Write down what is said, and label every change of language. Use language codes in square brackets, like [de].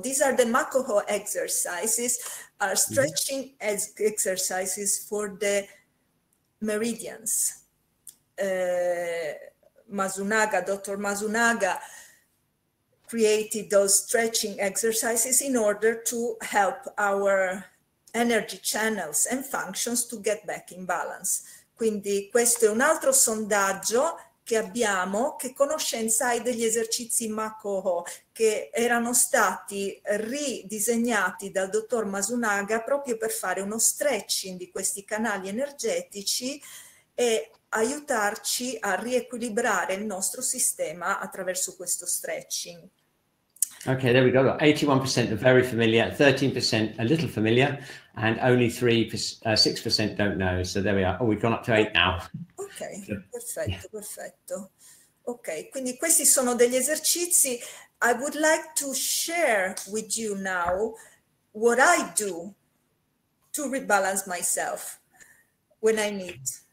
[en] These are the Makoho exercises, our stretching exercises for the meridians. Masunaga, Dr. Masunaga, created those stretching exercises in order to help our energy channels and functions to get back in balance. [it] Quindi questo è un altro sondaggio che abbiamo. Che conoscenza hai degli esercizi Makoho che erano stati ridisegnati dal dottor Masunaga proprio per fare uno stretching di questi canali energetici e aiutarci a riequilibrare il nostro sistema attraverso questo stretching? [en] Okay, there we go. 81% are very familiar, 13% a little familiar, and only 6% don't know. So there we are. Oh, we've gone up to 8 now. [it] Okay, perfetto, perfetto. Okay, quindi questi sono degli esercizi. [en] I would like to share with you now what I do to rebalance myself when I need.